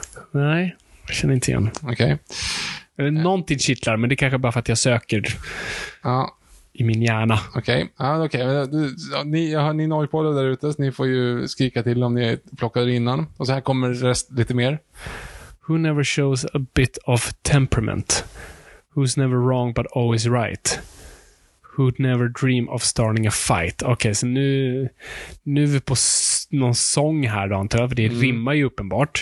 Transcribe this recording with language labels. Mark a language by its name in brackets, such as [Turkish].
[Swedish] Nej, jag känner inte igen. Okej. [English] Okay. [Swedish] Någonting kittlar, men det kanske bara för att jag söker. Ja. I min hjärna. Okej. Okay. Ni når på det där ute, så ni får ju skrika till om ni plockade innan. Och så här kommer rest lite mer. [English] Who never shows a bit of temperament? Who's never wrong but always right? Who'd never dream of starting a fight? [Swedish] Okej, okay, så nu är vi på någon sång här då, antar jag, för det rimmar ju uppenbart.